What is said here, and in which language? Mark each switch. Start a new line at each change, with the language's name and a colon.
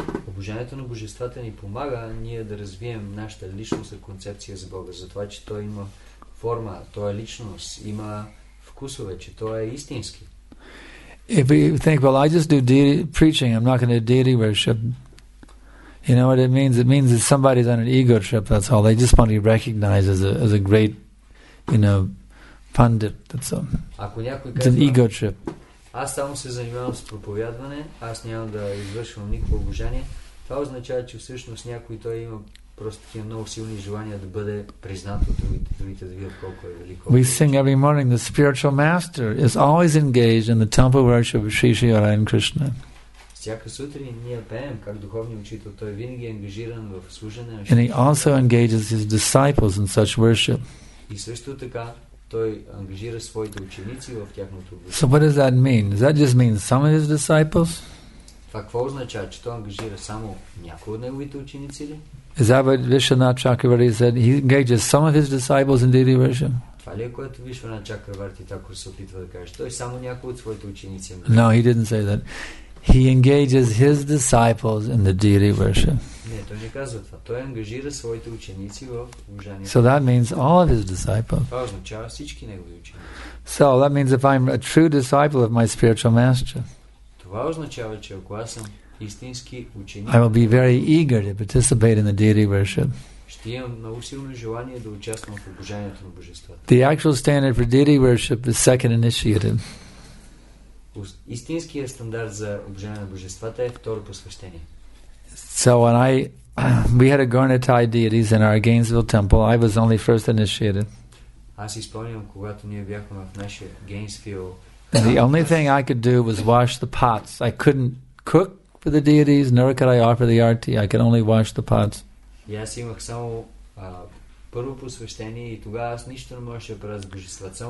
Bulgarian: Обожанието на божествата ни помага ние да развием нашата личност и концепция за Бога, за това, че Той има форма, Той е личност, има вкусове, че Той е истински.
English: If we think, well, I just do deity preaching, I'm not going to deity worship. You know what it means? It means that somebody's on an ego trip, that's all. They just want to be recognized as a great, you know, pundit. That's all. It's an ego trip.
Bulgarian: Аз само се занимавам с проповядване, аз нямам да извършвам никакво обожание. Това означава, че всъщност някой той има просто такива много силни желания да бъде признат от другите, другите да видят колко е велико.
English: We sing every morning, the spiritual master is always engaged in the temple worship of Sri Sri Narayan Krishna.
Bulgarian: Всяка сутрин ние пеем, как духовният учител, той винаги е ангажиран в служене.
English: And he also engages his disciples in such worship.
Bulgarian: И също така, той ангажира своите ученици в тяхното обучение.
English: So what does that mean? Does that just mean some of his disciples?
Bulgarian: Това какво означава, че той ангажира само някои от неговите ученици ли?
English: Is that what Vishwanath Chakravarti said? He engages some of his disciples in deity worship?
Bulgarian: Това ли е което Вишванат Чакраварти тако се опитва да каже? Той само някои от своите ученици.
English: No, he didn't say that. He engages his disciples in the deity worship.
Bulgarian: Не, той не казва това. Той ангажира своите ученици в обожанието.
English: So that means all of his disciples.
Bulgarian: Това означава всички негови ученици.
English: So that means if I'm a true disciple of my spiritual master.
Bulgarian: Това означава, че ако аз съм истински ученик.
English: I will be very eager to participate in the deity worship.
Bulgarian: Ще имам много силно желание да участвам в обожанието на божествата.
English: The actual standard for deity worship is second initiative.
Bulgarian: Истинският стандарт за обожание на божествата е второ посвещение.
English: So when I we had a Garnatai deities in our Gainesville temple, I was only first initiated.
Bulgarian: Аз си спомням, когато ние бяхме в нашия Gainesville.
English: And the only thing I could do was wash the pots. I couldn't cook for the deities, nor could I offer the arti. I could only wash the pots.
Bulgarian: И аз имах само първо посвещение и тогава аз нищо не можеше да правя за божествата.